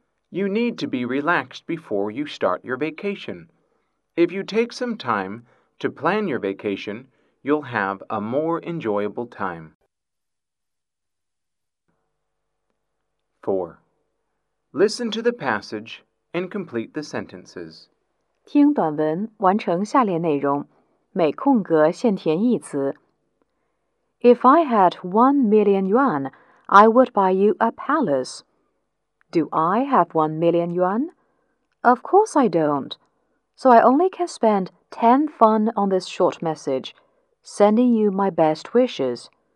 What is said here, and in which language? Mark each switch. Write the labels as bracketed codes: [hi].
[en] You need to be relaxed before you start your vacation. If you take some time to plan your vacation, you'll have a more enjoyable time. 4. Listen to the passage and complete the sentences. [zh] 听短文，完成下列内容，每空格现填一词。 [en] If I had 1 million yuan, I would buy you a palace. Do I have 1 million yuan? Of course I don't. So I only can spend 10 fun on this short message, sending you my best wishes.